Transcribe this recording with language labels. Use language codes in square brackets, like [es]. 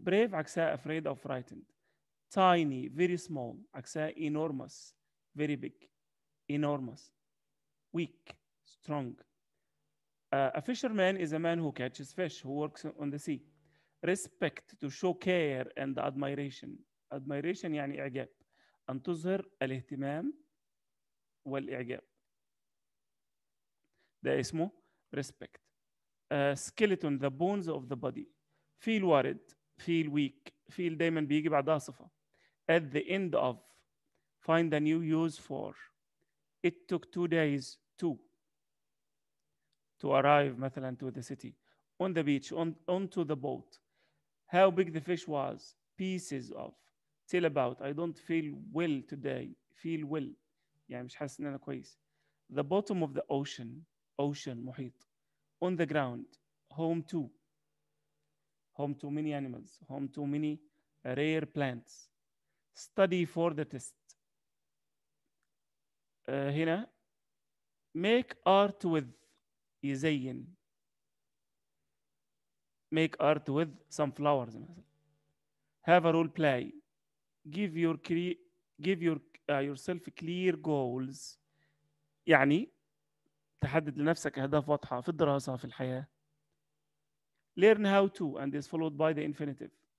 [en] Brave [ar] عكسها [en] afraid or frightened. Tiny, very small. [ar] عكسها [en] enormous, very big. Enormous. Weak, strong. A fisherman is a man who catches fish, who works on the sea. Respect, to show care and admiration. Admiration [ar] يعني إعجاب. أن تظهر الاهتمام والإعجاب. ده اسمه [en] respect. Skeleton, the bones of the body. Feel worried, feel weak. [ar] Feel دايما بيجي بعدها صفة. [en] At the end of. Find a new use for. It took 2 days to arrive [ar] مثلا [en] to the city. On the beach, onto the boat. How big the fish was. Pieces of. Tell about, I don't feel well today. Feel well. [ar] يعني مش حاسس ان انا كويس. [en] The bottom of the ocean, ocean [ar] محيط. [en] On the ground, home to. Home to many animals, home to many rare plants. Study for the test. [ar] هنا [en] make art with, [ar] يزين. [en] Make art with some flowers [ar] مثلا. [en] Have a role play. Give your yourself clear goals. [ar] يعني تحدد لنفسك أهداف واضحة في الدراسة في الحياة. [en] Learn how to and is followed by the infinitive.